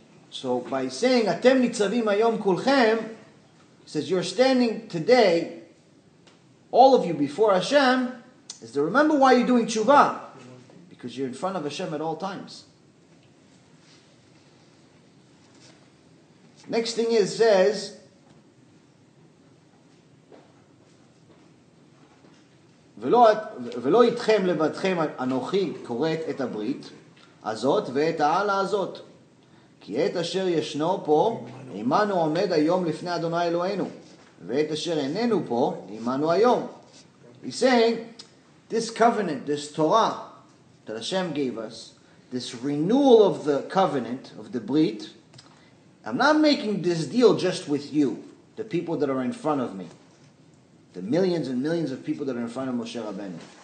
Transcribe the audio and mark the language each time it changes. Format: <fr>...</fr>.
<en>So by saying, Atem Nitzavim Hayom Kulchem, he says, you're standing today, all of you, before Hashem, is to remember why you're doing tshuva. Because you're in front of Hashem at all times. Next thing it says,</en> <he>ולא איתכם לבדכם אנוכי קוראת את הברית הזאת ואת העלה הזאת. כי את אשר ישנו פה, עמנו עומד היום לפני אדוני אלוהינו. ואת אשר איננו פה, עמנו היום.</he> <en>He's saying, this covenant, this Torah that Hashem gave us, this renewal of the covenant, of the Brit, I'm not making this deal just with you, the people that are in front of me, the millions and millions of people that are in front of Moshe Rabbeinu.</en>